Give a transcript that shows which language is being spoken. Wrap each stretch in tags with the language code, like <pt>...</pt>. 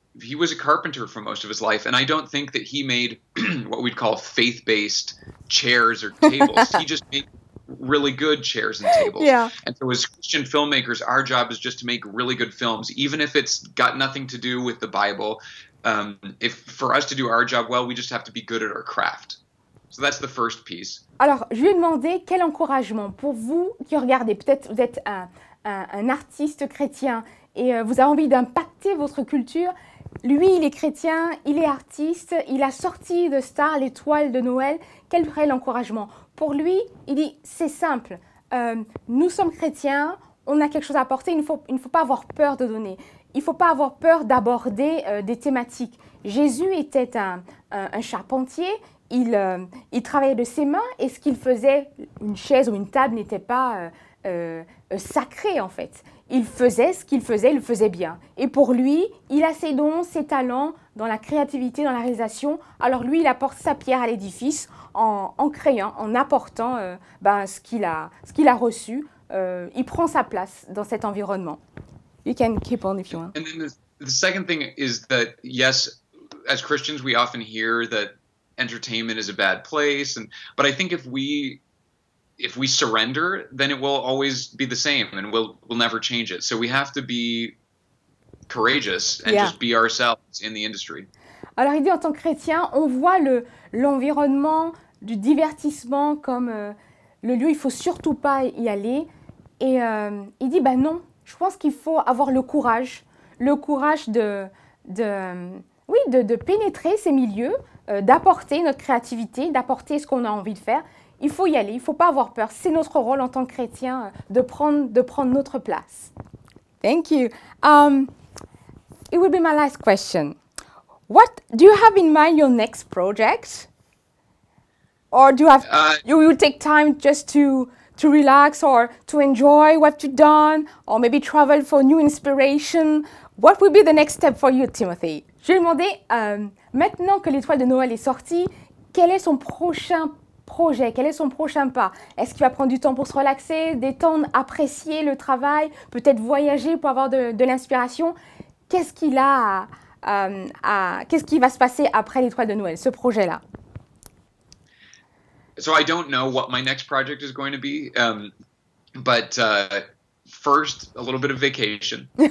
<en>he was a carpenter for most of his life, and I don't think that he made what we'd call faith-based chairs or tables. He just made really good chairs and tables. Yeah. And so as Christian filmmakers, our job is just to make really good films, even if it's got nothing to do with the Bible. If for us to do our job well, we just have to be good at our craft. So that's the first piece.</en> <fr>Alors, je lui ai demandé quel encouragement pour vous qui regardez. Peut-être vous êtes un artiste chrétien et vous avez envie d'impacter votre culture. Lui, il est chrétien, il est artiste, il a sorti de Star l'étoile de Noël. Quel serait l'encouragement? Pour lui, il dit, c'est simple. Nous sommes chrétiens, on a quelque chose à apporter, il ne faut pas avoir peur de donner. Il ne faut pas avoir peur d'aborder des thématiques. Jésus était un charpentier. Il travaillait de ses mains et ce qu'il faisait, une chaise ou une table, n'était pas sacré en fait. Il faisait ce qu'il faisait, il le faisait bien. Et pour lui, il a ses dons, ses talents dans la créativité, dans la réalisation. Alors lui, il apporte sa pierre à l'édifice en créant, en apportant ce qu'il a reçu. Il prend sa place dans cet environnement.</fr> <en>You can keep on if you want. And then the second thing is that, yes, as Christians, we often hear that entertainment is a bad place, but I think if we surrender, then it will always be the same, and we'll never change it. So we have to be courageous and just be ourselves in the industry.</en> <fr>Alors il dit, en tant que chrétien, on voit l'environnement du divertissement comme le lieu, il faut surtout pas y aller. Et il dit, non, je pense qu'il faut avoir le courage de pénétrer ces milieux, d'apporter notre créativité, d'apporter ce qu'on a envie de faire. Il faut y aller, il ne faut pas avoir peur. C'est notre rôle en tant que chrétien de prendre notre place.</fr> <en>Thank you. It will be my last question. What do you have in mind your next project? Or do you have, you will take time just to relax or to enjoy what you've done or maybe travel for new inspiration? What will be the next step for you, Timothy?</en> <fr>Je lui ai demandé, maintenant que l'étoile de Noël est sortie, quel est son prochain projet? Quel est son prochain pas? Est-ce qu'il va prendre du temps pour se relaxer, détendre, apprécier le travail, peut-être voyager pour avoir de l'inspiration? Qu'est-ce qu'il a qu'est-ce qui va se passer après l'étoile de Noël, ce projet-là?</fr> <en>So I don't know what my next project is going to be, but first, a little bit of vacation.</en>